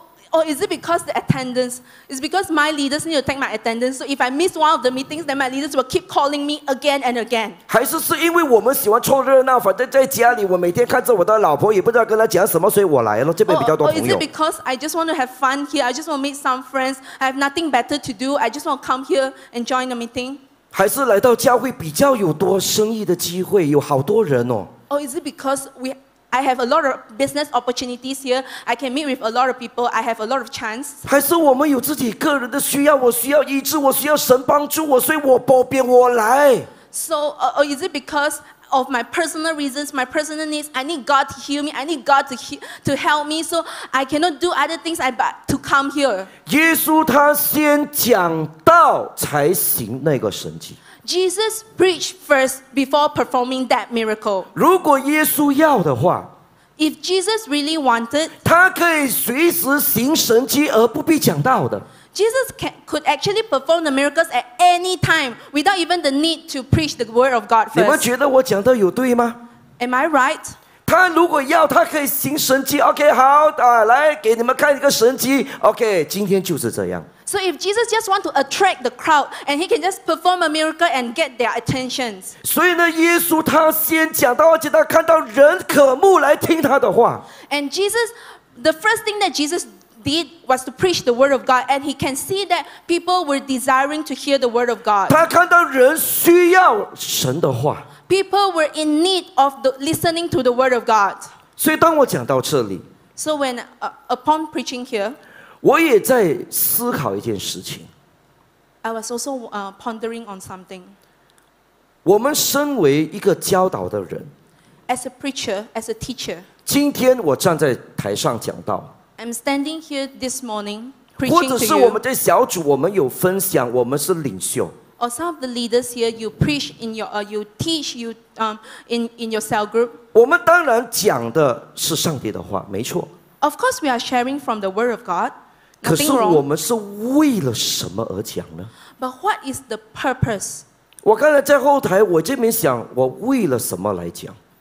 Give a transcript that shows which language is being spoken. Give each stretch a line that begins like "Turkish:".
English: Or is it because the attendance? It's because my leaders need to take my attendance. So if I miss one of the meetings, then my leaders will keep calling me again and again.
Chinese: 还是因为我们喜欢凑热闹，反正在家里我每天看着我的老婆，也不知道跟她讲什么，所以我来了，这边比较多朋友。
English: Or is it because I just want to have fun here? I just want to meet some friends. I have nothing better to do. I just want to come here and join the meeting.
Chinese: 还是来到教会比较有多生意的机会，有好多人哦。
English: Or is it because I have a lot of business opportunities here. I can meet with a lot of people. I have a lot of chance.
Chinese: 还是我们有自己个人的需要，我需要医治，我需要神帮助我，所以我保贬我来。
English: So, is it because of my personal reasons, my personal needs? I need God to heal me. I need God to help me. So I cannot do other things. I but to come here.
Chinese: 耶稣他先讲道才行那个神迹。
English: Jesus preached first before performing that miracle.
Chinese: 如果耶稣要的话，
English: If Jesus really wanted,
Chinese: 他可以随时行神迹而不必讲道的。
English: Jesus could actually perform the miracles at any time without even the need to preach the word of God first.
Chinese: 你们觉得我讲的有对吗？
English: Am I right?
Chinese: 他如果要，他可以行神迹。OK, 好，来给你们看一个神迹。 OK, 今天就是这样。
English: So if Jesus just want to attract the crowd and he can just perform a miracle and get their attention.
Chinese: 所以呢，耶稣他先讲道，而且他看到人渴慕来听他的话。
English: And Jesus, the first thing that Jesus did was to preach the word of God, and he can see that people were desiring to hear the word of God.
Chinese: 他看到人需要神的话。
English: People were in need of listening to the word of God.
Chinese: 所以当我讲到这里。
English: So when upon preaching here.
Chinese: 我也在思考一件事情。
English: I was also pondering on something.
Chinese: 我们身为一个教导的人
English: ，as a preacher, as a teacher.
Chinese: 今天我站在台上讲道。
English: I'm standing here this morning preaching to you.
Chinese: 或者是我们在小组，我们有分享，我们是领袖。
English: Or some of the leaders here, you preach in your, you teach you in your cell group.
Chinese: 我们当然讲的是上帝的话，没错。
English: Of course, we are sharing from the Word of God.
Chinese: 可是我们是为了什么而讲呢？
English: But what is the purpose?
Chinese: 我刚才在后台，我这边想，我为了什么来讲？